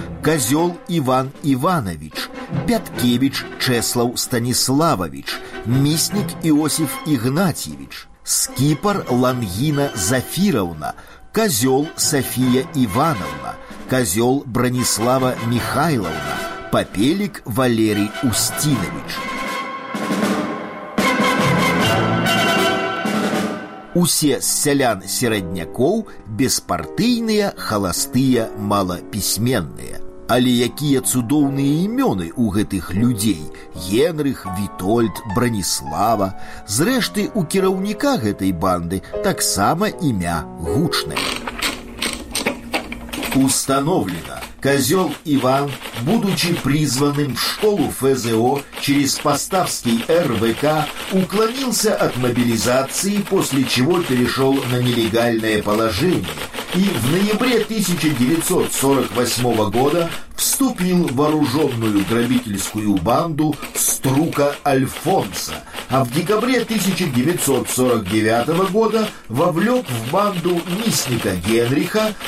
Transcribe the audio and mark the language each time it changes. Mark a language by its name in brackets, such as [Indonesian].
[Russian] Козел Иван Иванович, Пяткевич Чеслав Станиславович, Мисник Иосиф Игнатьевич, Скипар Лангина Зафировна, Козел София Ивановна, Козел Бронислава Михайловна, Попелик Валерий Устинович. [Belarusian] Усе з сялян сераднякоў, беспартыйныя, халастыя, малапісьменныя. Але якія цудоўныя імёны ў гэтых людзей: Генрых, Вітольд, Браніслава. Зрэшты, у кіраўніка гэтай банды таксама імя гучнае. [Russian] Установлена. Козел Иван, будучи призванным в школу ФЗО через поставский РВК, уклонился от мобилизации, после чего перешел на нелегальное положение и в ноябре 1948 года вступил в вооруженную грабительскую банду «Струка Альфонса», а в декабре 1949 года вовлек в банду Мисника Генриха,